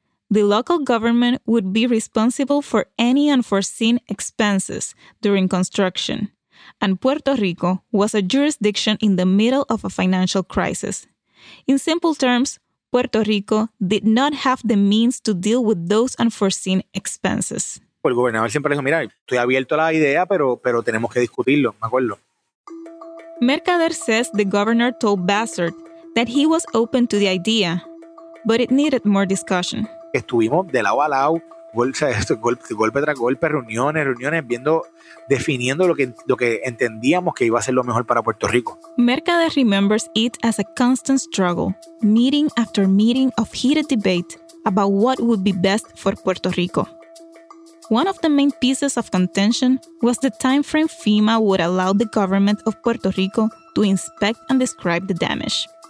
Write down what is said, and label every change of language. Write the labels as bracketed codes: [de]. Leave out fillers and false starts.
[en] The local government would be responsible for any unforeseen expenses during construction, and Puerto Rico was a jurisdiction in the middle of a financial crisis. In simple terms, Puerto Rico did not have the means to deal with those unforeseen expenses. [es] El gobernador siempre dijo, mira, estoy abierto a la idea, pero tenemos que discutirlo, me acuerdo. [en] Mercader says the governor told Bassert that he was open to the idea, but it needed more discussion. [es] Estuvimos de lado a lado, golpe tras golpe, reuniones, viendo, definiendo lo que entendíamos que iba a ser lo mejor para Puerto Rico. [en] Mercader remembers it as a constant struggle, meeting after meeting of heated debate about what would be best for Puerto Rico. One of the main pieces of contention was the time frame FEMA would allow the government of Puerto Rico to inspect and describe the damage.